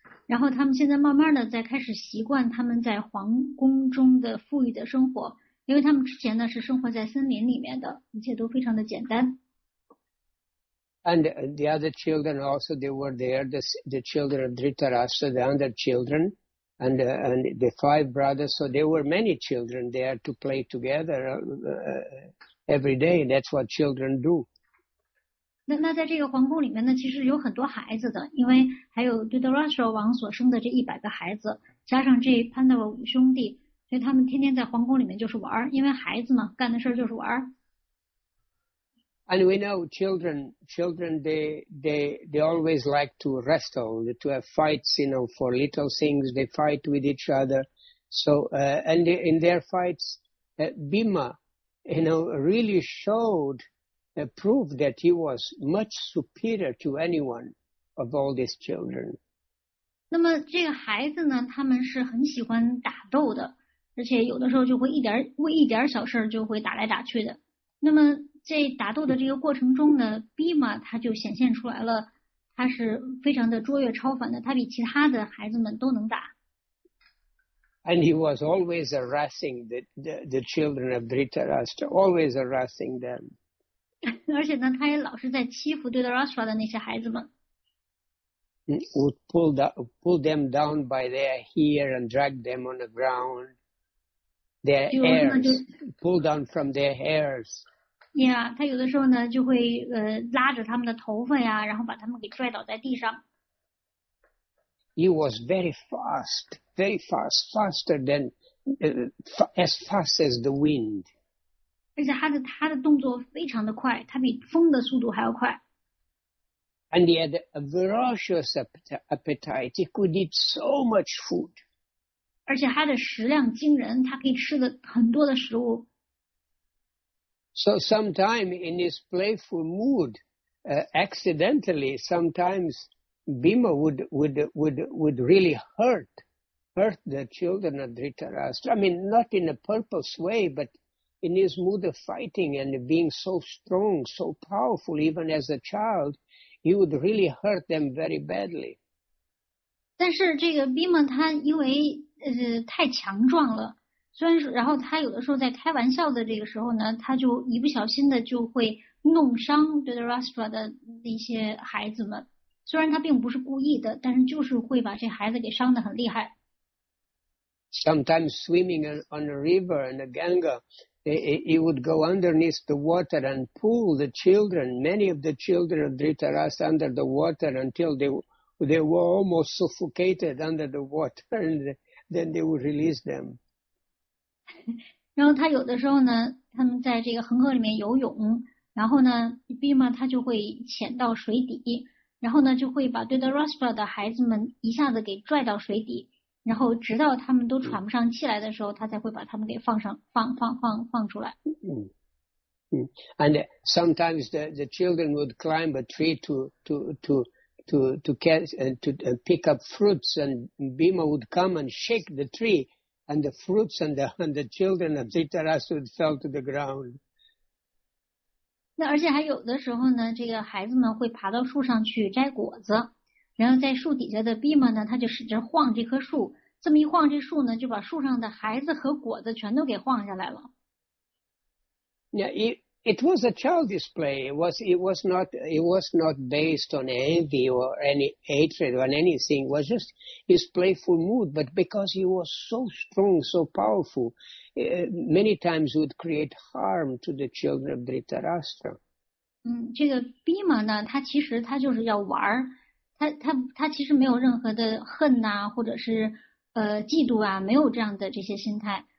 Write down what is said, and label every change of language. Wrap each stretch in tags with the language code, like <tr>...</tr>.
<zh>然后他们现在慢慢的在开始习惯他们在皇宫中的富裕的生活，因为他们之前呢是生活在森林里面的，一切都非常的简单。</zh> <en>And the other children also, they were there, the children of Dhritarashtra, the other children, and the five brothers, so there were many children there to play together every day. That's what children do.</en> <zh>那在这个皇宫里面呢，其实有很多孩子的，因为还有 Dhritarashtra 王所生的这100个孩子，加上这 Pandava 五兄弟，所以他们天天在皇宫里面就是玩，因为孩子嘛，干的事就是玩。</zh> <en>And we know children they always like to wrestle, to have fights, you know, for little things they fight with each other. So and in their fights, Bhima, you know, really showed. Proved that he was much superior to anyone of all these children.</en> <zh>那么这个孩子呢，他们是很喜欢打斗的，而且有的时候就会为一点小事就会打来打去的。那么在打斗的这个过程中呢 ，Bhima 他就显现出来了，他是非常的卓越超凡的，他比其他的孩子们都能打。</zh> <en>And he was always harassing the children of Dhritarashtra, always harassing them.</en> <zh>而且呢，他也老是在欺负对的 Rashtra 的那些孩子们。</zh> <en>Would pull them down by their hair and drag them on the ground. Their hairs pull down from their hairs.</en> <zh>Yeah, 他有的时候呢就会拉着他们的头发呀，然后把他们给拽倒在地上。</zh> <en>He was very fast, very fast, faster than as fast as the wind.</en> <zh>而且他的动作非常的快，他比风的速度还要快。</zh> <en>And he had a voracious appetite. He could eat so much food.</en> <zh>而且他的食量惊人，他可以吃的很多的食物。</zh> <en>So sometimes in his playful mood, accidentally, sometimes Bhima would really hurt the children of Dhritarashtra. I mean, not in a purpose way, but. In his mood of fighting and being so strong, so powerful, even as a child, he would really hurt them very badly.</en> <zh>但是这个 Bhima 他因为太强壮了，虽然是然后他有的时候在开玩笑的这个时候呢，他就一不小心的就会弄伤 Dhritarashtra 的那些孩子们。虽然他并不是故意的，但是就是会把这孩子给伤得很厉害。</zh> <en>Sometimes swimming on a river in a Ganga. He would go underneath the water and pull the children, many of the children of Dhritarashtra under the water until they were almost suffocated under the water, and then they would release them.</en> <zh>然后他有的时候呢，他们在这个恒河里面游泳，然后呢 ，Bhima 他就会潜到水底，然后呢就会把Dhritarashtra的孩子们一下子给拽到水底，然后直到他们都喘不上气来的时候，他才会把他们给放上放放放放出来。</zh> <en>And sometimes the children would climb a tree to catch and to pick up fruits, and Bhima would come and shake the tree, and the fruits and the children of Dhritarashtra would fell to the ground.</en> <zh>那而且还有的时候呢，这个孩子们会爬到树上去摘果子，然后在树底下的 Bhima 呢，他就使劲晃这棵树，这么一晃，这树呢就把树上的孩子和果子全都给晃下来了。</zh> <en>Yeah, it was a childish play. It was not based on envy or any hatred or anything. It was just his playful mood. But because he was so strong, so powerful, many times he would create harm to the children of Dhritarashtra.</en> <zh>这个 Bhima 呢，他其实他就是要玩儿，他其实没有任何的恨呐、啊，或者是嫉妒啊，没有这样的这些心态。</zh>